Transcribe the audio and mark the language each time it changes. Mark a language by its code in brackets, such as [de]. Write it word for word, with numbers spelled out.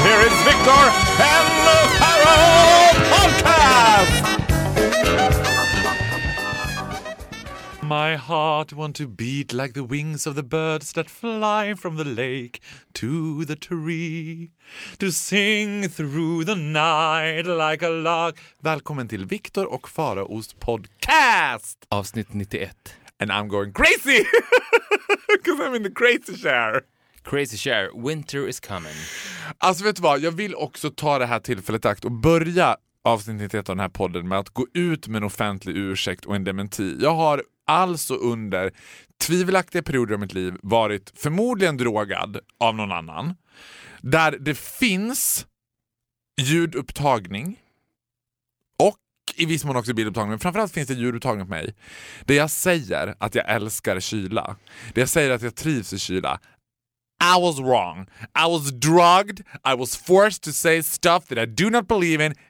[en] Here is Victor and the Pharaoh Podcast. My heart want to beat like the wings of the birds that fly from the lake to the tree. To sing through the night like a lark. [sv] Välkommen till Victor och Pharaohs podcast. Avsnitt nittioett. [en] And I'm going crazy because I'm in the crazy chair. Crazy chair, winter is coming. [sv] Alltså vet du vad, jag vill också ta det här tillfället i akt och börja avsnitt nittioett av den här podden med att gå ut med en offentlig ursäkt och en dementi. Jag har alltså under tvivelaktiga perioder av mitt liv varit förmodligen drogad av någon annan. Där det finns ljudupptagning och i viss mån också bildupptagning, men framförallt finns det ljudupptagning på mig. Det jag säger att jag älskar kyla. Det jag säger att jag trivs i kyla. [en] I was wrong. I was drugged. I was forced to say stuff that I do not believe in.